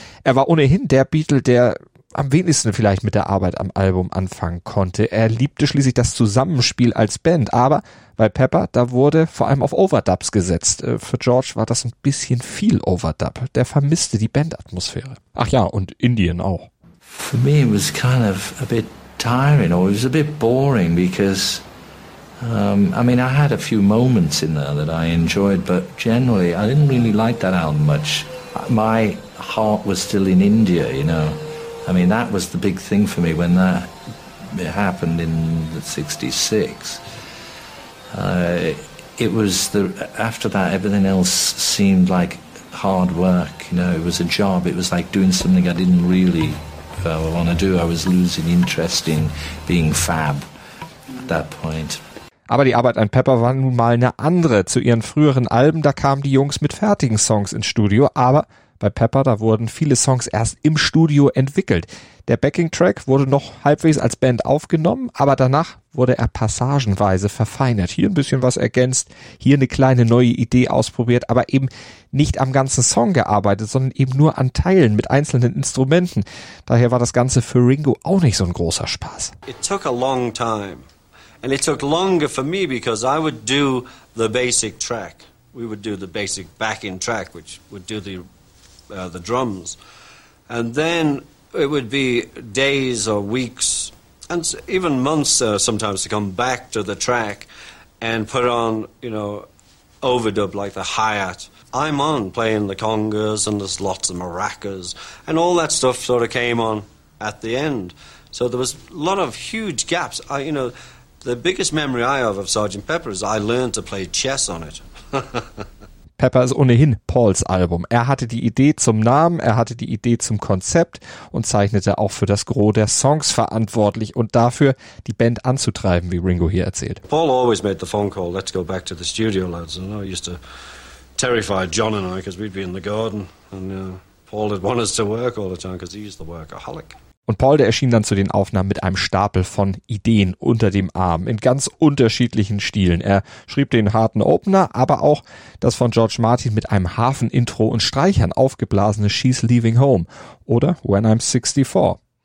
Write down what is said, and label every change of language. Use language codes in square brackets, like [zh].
[de] Er war ohnehin der Beatle, der am wenigsten vielleicht mit der Arbeit am Album anfangen konnte. Er liebte schließlich das Zusammenspiel als Band, aber bei Pepper, da wurde vor allem auf Overdubs gesetzt. Für George war das ein bisschen viel Overdub. Der vermisste die Bandatmosphäre. Ach ja, und Indien auch. [en] For me, it was kind of a bit tiring, or it was a bit boring, because, I had a few moments in there that I enjoyed, but generally, I didn't really like that album much. My heart was still in India, you know. I mean, that was the big thing for me when that happened in '66. After that, everything else seemed like hard work, you know. It was a job. It was like doing something I didn't really want to do. I was losing interest in being fab at that point. [de] Aber die Arbeit an Pepper war nun mal eine andere. Zu ihren früheren Alben, da kamen die Jungs mit fertigen Songs ins Studio, aber bei Pepper, da wurden viele Songs erst im Studio entwickelt. Der Backing-Track wurde noch halbwegs als Band aufgenommen, aber danach wurde er passagenweise verfeinert. Hier ein bisschen was ergänzt, hier eine kleine neue Idee ausprobiert, aber eben nicht am ganzen Song gearbeitet, sondern eben nur an Teilen mit einzelnen Instrumenten. Daher war das Ganze für Ringo auch nicht so ein großer Spaß. [en] It took a long time. And it took longer for me because I would do the basic track. We would do the basic backing track, which would do the drums. And then it would be days or weeks and even months sometimes to come back to the track and put on, you know, overdub like the hi-hat. I'm on playing the congas and there's lots of maracas and all that stuff sort of came on at the end. So there was a lot of huge gaps. The biggest memory I have of Sergeant Pepper is I learned to play chess on it. [de] Pepper ist ohnehin Pauls Album. Er hatte die Idee zum Namen, er hatte die Idee zum Konzept und zeichnete auch für das Gros der Songs verantwortlich und dafür, die Band anzutreiben, wie Ringo hier erzählt. [en] Paul always made the phone call, let's go back to the studio, lads. And I used to terrify John and I, because we'd be in the garden. And Paul would want us to work all the time, because he's the workaholic. [de] Und Paul, der erschien dann zu den Aufnahmen mit einem Stapel von Ideen unter dem Arm, in ganz unterschiedlichen Stilen. Er schrieb den harten Opener, aber auch das von George Martin mit einem Hafenintro und Streichern aufgeblasene She's Leaving Home oder When I'm 64.